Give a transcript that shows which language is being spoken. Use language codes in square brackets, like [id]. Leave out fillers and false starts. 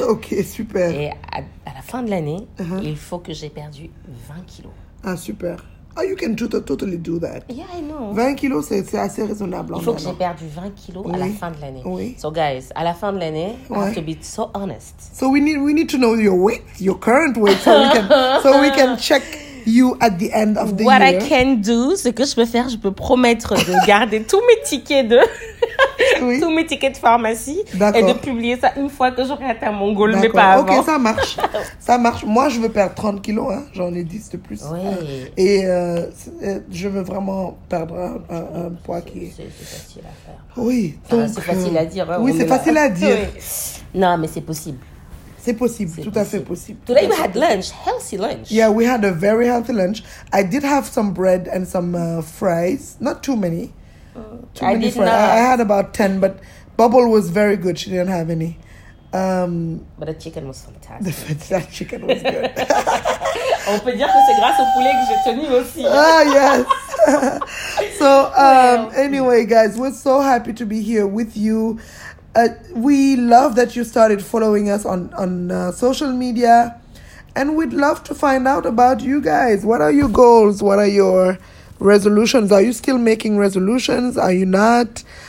[fr] Ok, super. Et à la fin de l'année, uh-huh. il faut que j'ai perdu 20 kilos. [en] Ah, super. Oh, you can totally do that. Yeah, I know. [fr] 20 kilos, c'est assez raisonnable. Il faut que j'ai perdu 20 kilos à la fin de l'année. Oui. [en] So, guys, [fr] à la fin de l'année, [en] I have to be so honest. So, we need to know your weight, your current weight, so we can check you at the end of the year. What I can do, [fr] ce que je peux faire, je peux promettre de garder tous mes tickets de... Oui. Tous mes tickets de pharmacie. D'accord. Et de publier ça une fois que j'aurai atteint mon goal. D'accord. Mais pas avant. Ok, ça marche. Ça marche. Moi, je veux perdre 30 kilos. Hein. J'en ai 10 de plus. Oui. Et je veux vraiment perdre un poids qui est... C'est facile à faire. Oui. Donc, c'est facile à dire. Hein, oui, c'est facile à dire. Oui. Non, mais c'est possible. C'est possible, c'est tout possible. À fait possible. [en] Today we had lunch, healthy lunch. Yeah, we had a very healthy lunch. I did have some bread and some fries. Not too many. I had about 10, but Bubble was very good. She didn't have any. But the chicken was fantastic. That chicken was good. [fr] On peut dire que c'est grâce au poulet que j'ai tenu aussi. [en] Ah, yes. So, anyway, guys, we're so happy to be here with you. We love that you started following us on social media. And we'd love to find out about you guys. What are your goals? What are your resolutions? Are you still making resolutions? Are you not?